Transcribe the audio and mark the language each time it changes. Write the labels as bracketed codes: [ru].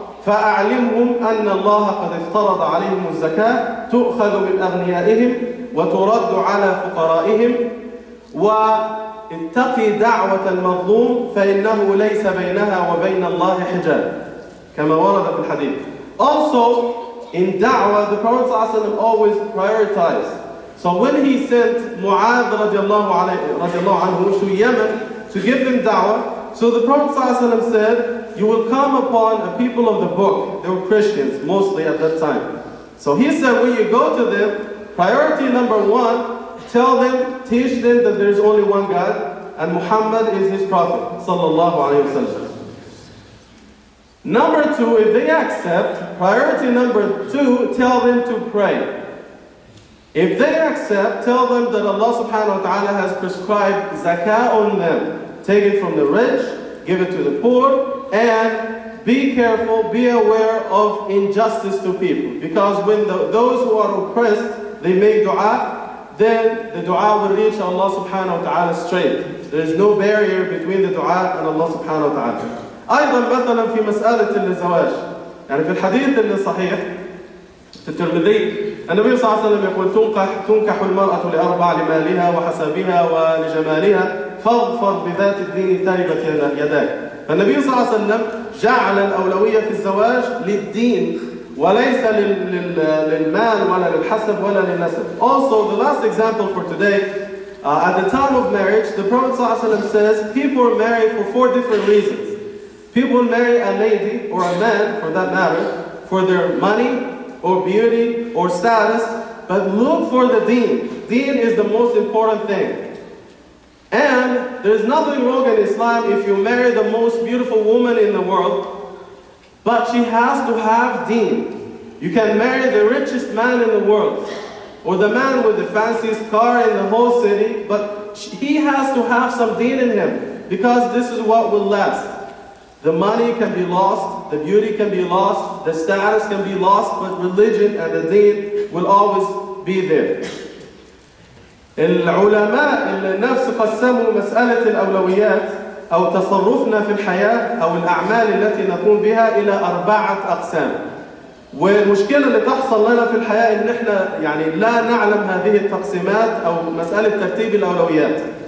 [ar] فأعلمهم أن الله قد افترض عليهم الزكاة تؤخذ من أغنيائهم وترد على فقرائهم واتقي دعوة المظلوم فإنه ليس بينها وبين الله حجاب كما ورد في الحديث. [en] Also in da'wah the Prophet صلى الله عليه وسلم always prioritized. So when he sent Mu'adh رضي الله عنه to Yemen to give them da'wah, so the Prophet صلى الله عليه وسلم said, you will come upon a people of the book. They were Christians mostly at that time. So he said, when you go to them, priority number one, tell them, teach them that there is only one God and Muhammad is his prophet, sallallahu alayhi wa sallam. Number two, if they accept, priority number two, tell them to pray. If they accept, tell them that Allah subhanahu wa ta'ala has prescribed zakah on them. Take it from the rich, give it to the poor, and be careful, be aware of injustice to people. Because when those who are oppressed, they make dua, then the dua will reach Allah subhanahu wa ta'ala straight. There is no barrier between the dua and Allah subhanahu wa ta'ala. [ar] أيضا مثلا في مسألة الزواج يعني في الحديث الصحيح في الترمذي النبي صلى الله عليه وسلم يقول تنكح المرأة لأربع لمالها وحسبها ولجمالها فاغفر بذات الدين تائبت يداك. فالنبي صلى الله عليه وسلم جعل الأولوية في الزواج للدين وليس للمال ولا للحسب ولا للنسب. [en] Also the last example for today, at the time of marriage, the Prophet صلى الله عليه وسلم says people are married for four different reasons. People marry a lady or a man for that matter for their money or beauty or status, but look for the deen. Deen is the most important thing. And there's nothing wrong in Islam if you marry the most beautiful woman in the world, but she has to have deen. You can marry the richest man in the world, or the man with the fanciest car in the whole city, but he has to have some deen in him, because this is what will last. The money can be lost, the beauty can be lost, the status can be lost, but religion and the deen will always be there. [ar] العلماء النفس قسموا مسألة الأولويات أو تصرفنا في الحياة أو الأعمال التي نقوم بها إلى أربعة أقسام. والمشكلة اللي تحصل لنا في الحياة إن إحنا يعني لا نعلم هذه التقسيمات أو مسألة ترتيب الأولويات.